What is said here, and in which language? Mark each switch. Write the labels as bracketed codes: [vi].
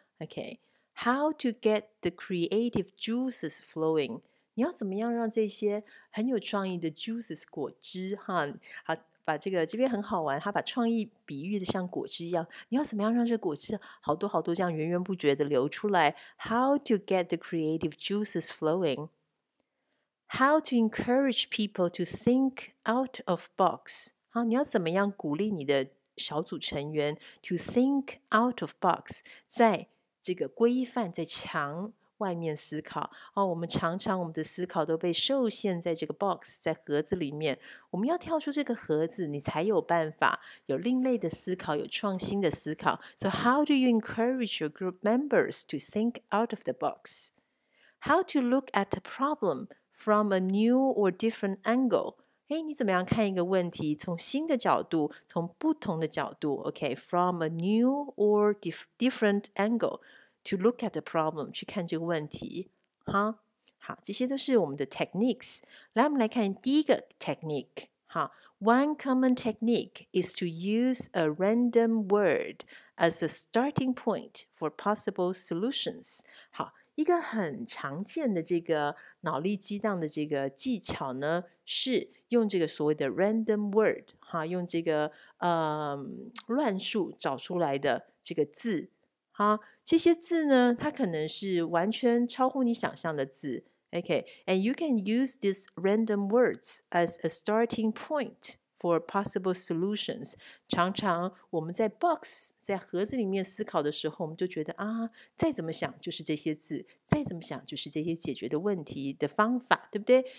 [en] OK, how to get the creative juices flowing? [zh] 你要怎么样让这些很有创意的 juices 果汁哈，好，把这个这边很好玩，他把创意比喻的像果汁一样，你要怎么样让这果汁好多好多这样源源不绝的流出来？ [en] How to get the creative juices flowing? How to encourage people to think out of box? [zh] 好，你要怎么样鼓励你的小组成员 [en] to think out of box? [zh] 在这个规范在墙外面思考、哦、我们常常我们的思考都被受限在这个 box 在盒子里面，我们要跳出这个盒子，你才有办法有另类的思考，有创新的思考。 [en] So how do you encourage your group members to think out of the box? How to look at a problem from a new or different angle? [zh] 诶，你怎么样看一个问题，从新的角度，从不同的角度， [en] OK, from a new or different angleTo look at the problem, [zh] 去看这个问题、huh? 好，这些都是我们的 techniques。来，我们来看第一个 technique、huh? [en] One common technique is to use a random word as a starting point for possible solutions。 [zh] 好，一个很常见的这个脑力激荡的这个技巧呢，是用这个所谓的 random word、huh? 用这个、乱数找出来的这个字啊、这些字呢，它可能是完全超乎你想象的字。 [en] OK, and you can use these random words as a starting point for possible solutions. [zh] 常常我们在 box 在盒子里面思考的时候，我们就觉得啊，再怎么想就是这些字，再怎么想就是这些解决的问题的方法，对不对？